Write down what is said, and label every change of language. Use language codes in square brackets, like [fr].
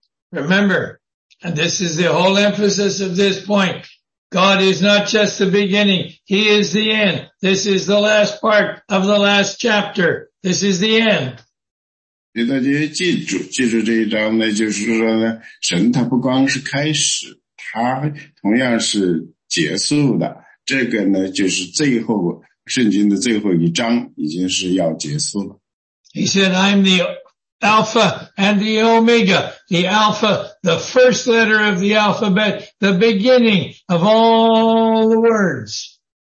[en] Remember, and this is the whole emphasis of this point. God is not just the beginning. He is the end. This is the last part of the last chapter. This is the end. [zh] 所以大家记住这一章呢，就是说呢，神他不光是开始。他同样是结束的，这个呢就是最后圣经的最后一章，已经是要结束了。 [en] He said, "I'm the Alpha and the Omega, the Alpha, the first letter of the alphabet, the beginning of all the words."